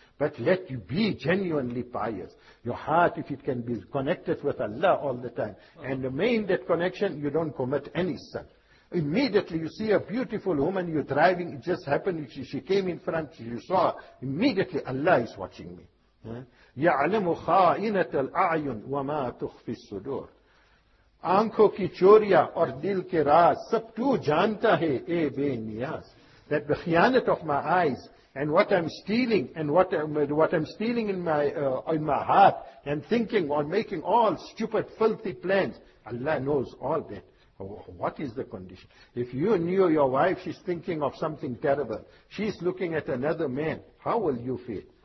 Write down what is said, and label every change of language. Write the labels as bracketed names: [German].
[English] But let you be genuinely pious. Your heart, if it can be connected with Allah all the time. And the main that connection, you don't commit any sin. Immediately you see a beautiful woman, you're driving, it just happened, she came in front, you saw, immediately Allah is watching me. [Arabic] يَعْلَمُ خَائِنَةَ الْأَعْيُنِ وَمَا تُخْفِ السُّدُورِ [Urdu] آنکھوں کی چوریاں اور دل کے راز سب تو جانتا ہے اے بے نیاز. [English] That the khianat of my eyes and what I'm stealing and what I'm stealing in my heart and thinking or making all stupid filthy plans, Allah knows all that. What is the condition? If you knew your wife, she's thinking of something terrible. She's looking at another man. How will you feel?